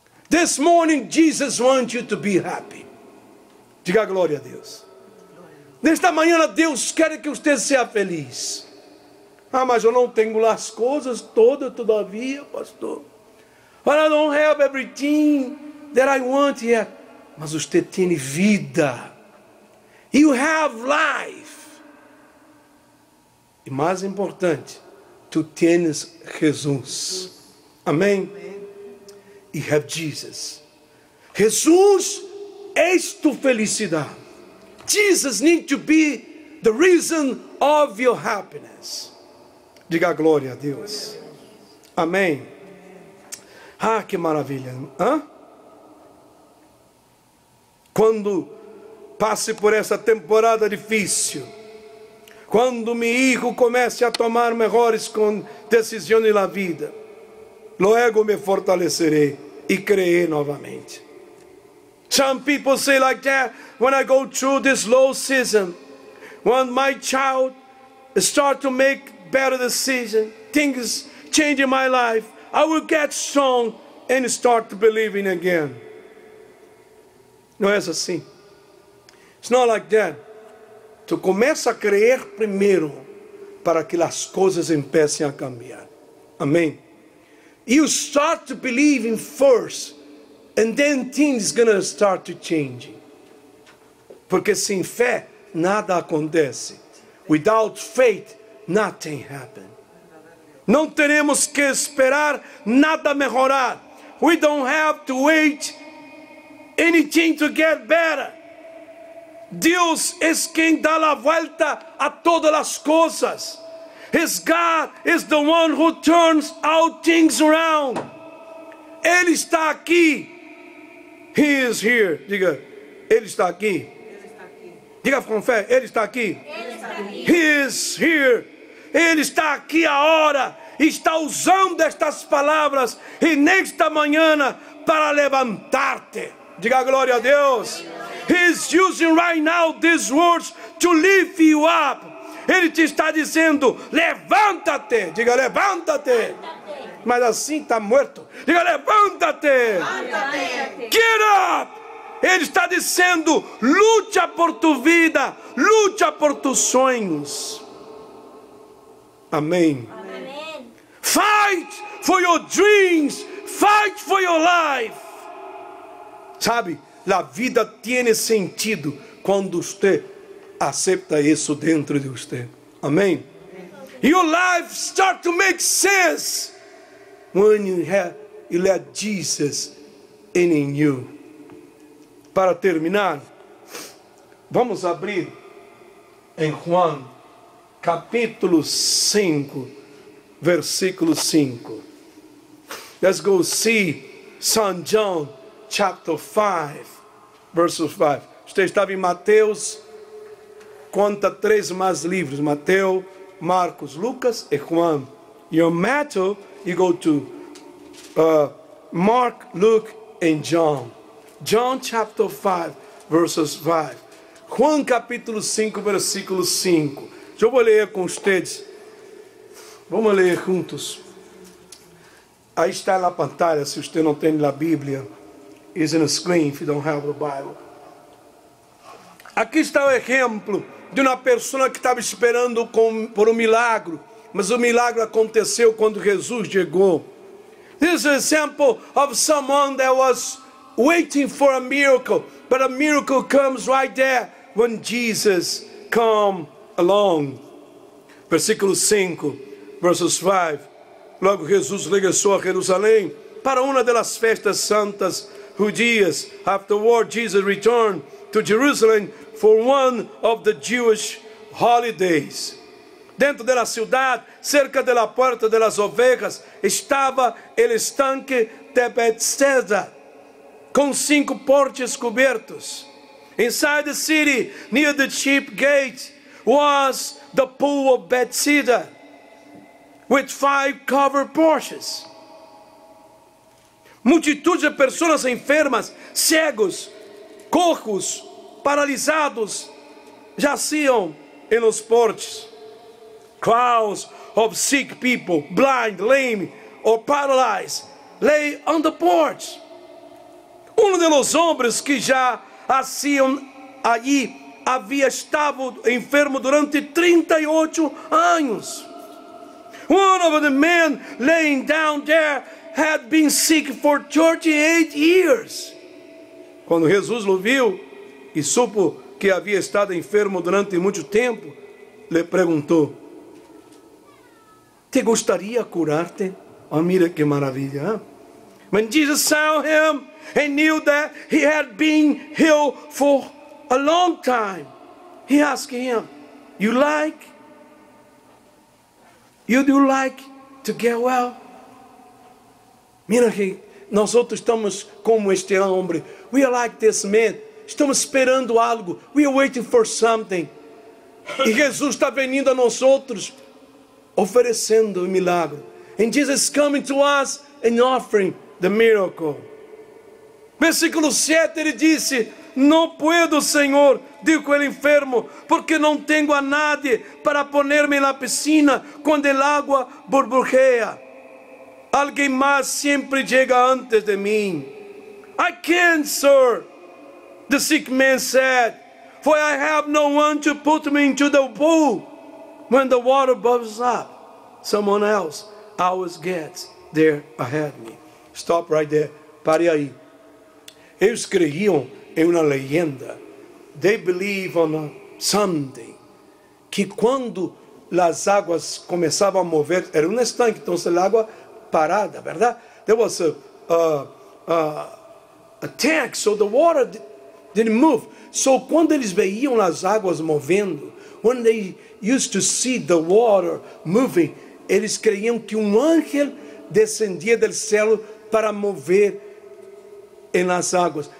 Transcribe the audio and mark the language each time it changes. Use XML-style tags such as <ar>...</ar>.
<en>This morning, Jesus wants you to be happy.</en> <pt>Diga glória a Deus. Nesta manhã, Deus quer que você seja feliz. Ah, mas eu não tenho as coisas todas todavia, pastor.</pt> <en>But I don't have everything that I want yet.</en> <pt>Mas você tem vida.</pt> <en>You have life.</en> <pt>E mais importante, tu tens Jesus. Amém? Amém.</pt> <en>You have Jesus.</en> <pt>Jesus é tua felicidade.</pt> <en>Jesus need to be the reason of your happiness.</en> <pt>Diga glória a Deus. Amém. Ah, que maravilha. Hã? Quando passe por essa temporada difícil, quando meu filho comece a tomar melhores decisões na vida, logo me fortalecerei e crerei novamente.</pt> <en>Some people say like that, when I go through this low season, when my child start to make better decisions, things changing my life. I will get strong and start believing again.</en> <pt>Não é assim.</pt> <en>It's not like that.</en> <pt>Tu começa a crer primeiro para que as coisas empecem a cambiar. Amém.</pt> <en>You start to believe in first, and then things gonna start to change.</en> <pt>Porque sem fé nada acontece.</pt> <en>Without faith, nothing happens.</en> <pt>Não teremos que esperar nada melhorar.</pt> <en>We don't have to wait anything to get better.</en> <pt>Deus é quem dá a volta a todas as coisas.</pt> <en>His God is the one who turns all things around.</en> <pt>Ele está aqui.</pt> <en>He is here.</en> <pt>Diga, Ele está aqui. Diga com fé, Ele está aqui. Ele está aqui.</pt> <en>He is here.</en> <pt>Ele está aqui agora. Está usando estas palavras e nesta manhã para levantar-te. Diga glória a Deus.</pt> <en>He is using right now these words to lift you up.</en> <pt>Ele te está dizendo, levanta-te. Diga, levanta-te. Levanta-te. Mas assim está morto. Diga, levanta-te. Levanta-te.</pt> <en>Get up.</en> <pt>Ele está dizendo, lute por tua vida. Lute por tus sonhos. Amém. Amém.</pt> <en>Fight for your dreams. Fight for your life.</en> <pt>Sabe, a vida tem sentido quando você aceita isso dentro de você. Amém?</pt> <en>Your life start to make sense when you let Jesus in you.</en> <pt>Para terminar, vamos abrir em Juan capítulo 5, versículo 5.</pt> <en>Let's go see St. John chapter 5, verse 5.</en> <pt>Você estava em Mateus. Conta três mais livros: Mateus, Marcos, Lucas e Juan.</pt> <en>Your Matthew, you go to Mark, Luke and John. John chapter 5, verses 5.</en> <pt>Juan capítulo 5, versículo 5. Eu vou ler com vocês. Vamos ler juntos. Aí está na pantalla, se você não tem a Bíblia.</pt> <en>It's on the screen if you don't have the Bible.</en> <pt>Aqui está o exemplo de uma pessoa que estava esperando por um milagre, mas o milagre aconteceu quando Jesus chegou.</pt> <en>This is an example of someone that was waiting for a miracle, but a miracle comes right there when Jesus come along.</en> <pt>Versículo 5, versos 5. Logo Jesus regressou a Jerusalém para uma das festas santas judias.</pt> <en>Afterward, Jesus returned to Jerusalem for one of the Jewish holidays.</en> <pt>Dentro da cidade, cerca da porta das ovelhas, estava o estanque de Bethesda, com cinco portes cobertos.</pt> <en>Inside the city, near the sheep gate, was the pool of Bethesda, with five covered porches.</en> <pt>Multitudes de pessoas enfermas, cegos, coxos, paralisados, jaziam em os portes.</pt> <en>Crowds of sick people, blind, lame, or paralyzed, lay on the porch.</en> <pt>De los hombres que já haziam aí havia estado enfermo durante 38 anos.</pt> <en>One of the men laying down there had been sick for 38 years.</en> <pt>Quando Jesus o viu e supo que havia estado enfermo durante muito tempo, lhe perguntou: "Te gostaria curar-te?" Oh, mira que maravilha!</pt> <en>When Jesus saw him and knew that he had been healed for a long time, he asked him, "You do like to get well?"</en> <pt>Mira que nós outros estamos como este homem.</pt> <en>We are like this man.</en> <pt>Estamos esperando algo.</pt> <en>We are waiting for something.</en> <pt>E Jesus está vindo a nós outros, oferecendo um milagre.</pt> <en>And Jesus is coming to us and offering the miracle.</en> <pt>Versículo 7, ele disse: "Não puedo, Senhor", disse o enfermo, "porque não tenho a nadie para ponerme na piscina quando a água borbulheia." Alguém mais sempre chega antes de mim.</pt> <en>I can't, sir, the sick man said, for I have no one to put me into the pool when the water bubbles up. Someone else always gets there ahead of me. Stop right there.</en> <pt>Pare aí. Eles creiam em uma lenda.</pt> <en>They believe on something.</en> <pt>Que quando as águas começavam a mover, era um estanque, então se a água parada, verdade?</pt> <en>There was a tank, so the water didn't move.</en> <pt>So quando eles veiam as águas movendo,</pt> <en>when they used to see the water moving,</en> <pt>eles creiam que um anjo descendia do céu para mover em las águas.</pt>